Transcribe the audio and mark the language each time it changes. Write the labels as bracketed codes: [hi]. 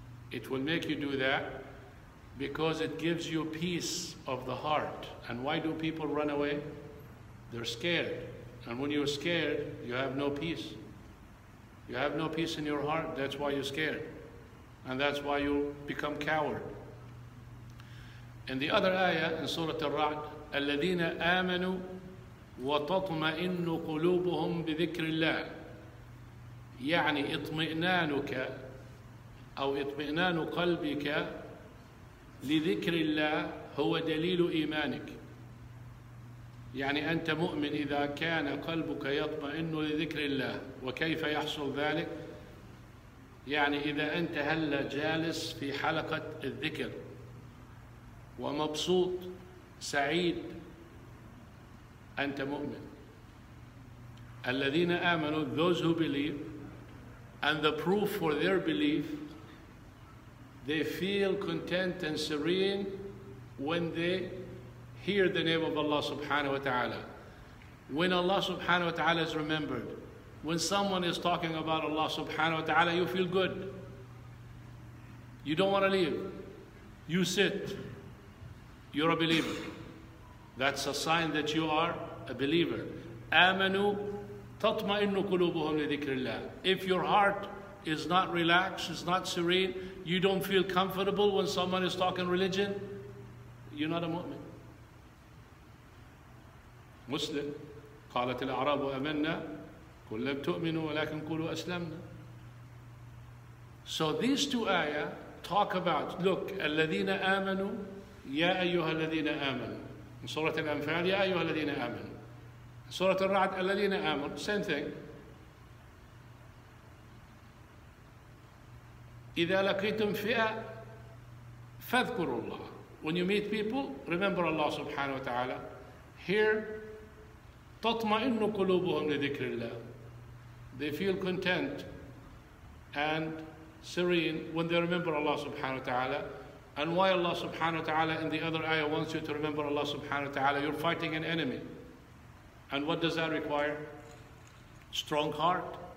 [en] It will make you do that because it gives you peace of the heart. And why do people run away? They're scared. And when you're scared, you have no peace. You have no peace in your heart, that's why you're scared. And that's why you become coward. In the other ayah in Surah Al-Ra'd, [ar] الَّذِينَ آمَنُوا وَتَطْمَئِنُّ قُلُوبُهُمْ بِذِكْرِ اللَّهِ يعني اطمئنانك أو اطمئنان قلبك لذكر الله هو دليل إيمانك. يعني أنت مؤمن إذا كان قلبك يطمئن لذكر الله. وكيف يحصل ذلك؟ يعني إذا أنت هلا جالس في حلقة الذكر ومبسوط سعيد أنت مؤمن. الذين آمنوا, [en] those who believe, and the proof for their belief, they feel content and serene when they hear the name of Allah subhanahu wa ta'ala. When Allah subhanahu wa ta'ala is remembered, when someone is talking about Allah subhanahu wa ta'ala, you feel good. You don't want to leave. You sit. You're a believer. That's a sign that you are a believer. [ar] آمنوا تطمئنوا قلوبهم لذكر الله. [en] If your heart is not relaxed, is not serene, you don't feel comfortable when someone is talking religion, you're not a mu'min. Muslim. [ar] قالت الأعراب آمنا قل لم تؤمنوا ولكن قولوا أسلمنا. [en] So these two ayah talk about, look, [ar] الذين آمنوا, يا أيها الذين آمنوا. [en] In Surah Al-Anfal, [ar] يا أيها الذين آمنوا. [en] In Surah Al-Ra'd, [ar] الذين آمنوا, [en] same thing. [ar] إذا لقيتم فئة فاذكروا الله. [en] When you meet people, remember Allah subhanahu wa ta'ala. [ar] Here, تطمئن قلوبهم لذكر الله. [en] They feel content and serene when they remember Allah subhanahu wa ta'ala. And why Allah subhanahu wa ta'ala in the other ayah wants you to remember Allah subhanahu wa ta'ala? You're fighting an enemy. And what does that require? Strong heart.